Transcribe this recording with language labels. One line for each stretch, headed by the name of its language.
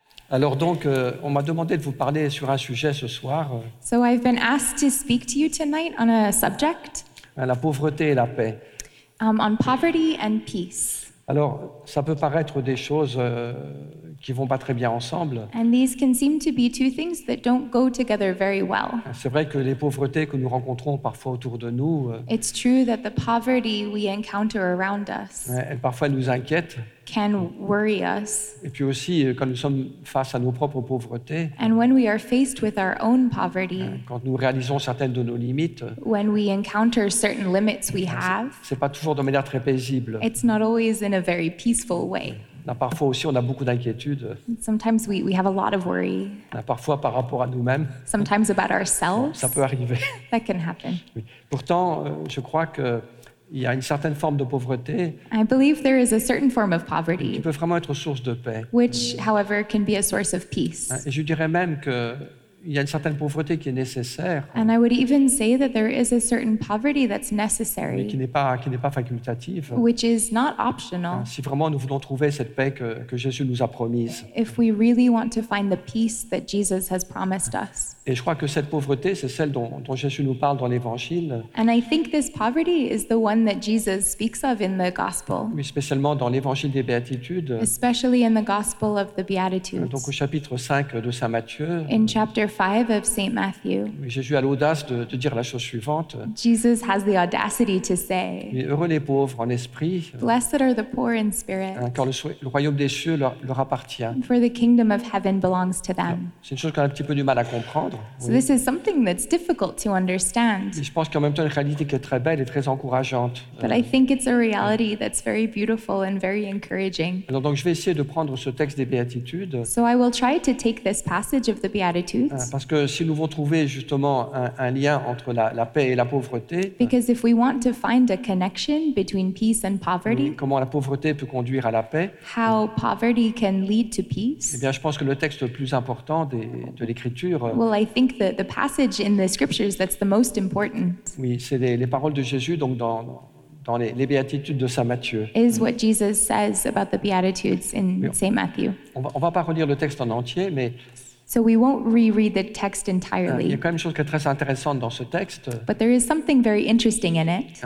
French: Alors donc, on m'a demandé de vous parler sur un sujet ce soir.
English: So I've been asked to speak to you tonight on a subject.
French: La pauvreté et la paix.
English: On poverty and peace.
French: Alors, ça peut paraître des choses qui vont pas très bien ensemble.
English: And these can seem to be two things that don't go together very well.
French: C'est vrai que les pauvretés que nous rencontrons parfois autour de nous.
English: It's true that the poverty we encounter around us.
French: Elle parfois nous inquiète.
English: Can worry us.
French: Et puis aussi quand nous sommes face à nos propres pauvretés.
English: And when we are faced with our own poverty.
French: Quand nous réalisons certaines de nos limites.
English: When we encounter certain limits we have.
French: C'est pas toujours de manière très paisible.
English: It's not always in a very peaceful way.
French: Parfois aussi on a beaucoup d'inquiétudes.
English: Sometimes we have a lot of worry.
French: Parfois par rapport à nous-mêmes.
English: Sometimes about ourselves.
French: Ça peut arriver.
English: That can happen.
French: Oui. Pourtant, je crois que il y a une certaine forme de pauvreté.
English: I believe there is a certain form of poverty.
French: Qui peut vraiment être source de paix.
English: Which, however, can be a source of peace.
French: Et je dirais même que il y a une certaine pauvreté qui est nécessaire.
English: And I would even say that there is a certain poverty that's necessary.
French: Mais qui n'est pas facultative.
English: Which is not optional.
French: Si vraiment nous voulons trouver cette paix que Jésus nous a promise.
English: If we really want to find the peace that Jesus has promised us.
French: Et je crois que cette pauvreté, c'est celle dont Jésus nous parle dans l'Évangile.
English: And I think this poverty is the one that Jesus speaks of in the Gospel.
French: Oui, spécialement dans l'Évangile des Béatitudes.
English: Especially in the Gospel of the Beatitudes.
French: Donc au chapitre 5 de Saint Matthieu.
English: In chapter 5 of Saint Matthew.
French: Jésus a l'audace de dire la chose suivante.
English: Jesus has the audacity to say.
French: Heureux les pauvres en esprit.
English: Blessed are the poor in spirit.
French: Car le royaume des cieux leur appartient.
English: For the kingdom of heaven belongs to them.
French: C'est une chose qu'on a un petit peu du mal à comprendre.
English: So this is something that's difficult to understand.
French: Je pense qu'en même temps, une réalité qui est très belle et très encourageante.
English: But I think it's a reality that's very beautiful and very encouraging.
French: Alors, donc, je vais essayer de prendre ce texte des Béatitudes.
English: So I will try to take this passage of the Beatitudes.
French: Parce que si nous voulons trouver justement un lien entre la paix et la pauvreté.
English: Because if we want to find a connection between peace and poverty.
French: Comment la pauvreté peut conduire à la paix.
English: How poverty can lead to peace.
French: Eh bien, je pense que le texte le plus important de l'Écriture.
English: Well, I think that the passage in the scriptures that's the most important.
French: Oui, c'est les paroles de Jésus donc dans les béatitudes de Saint Matthieu.
English: Is what Jesus says about the beatitudes in Saint Matthew.
French: On va pas relire le texte en entier, mais.
English: So we won't reread the text entirely.
French: Il y a quand même une chose qui est très intéressante dans ce texte.
English: But there is something very interesting in it.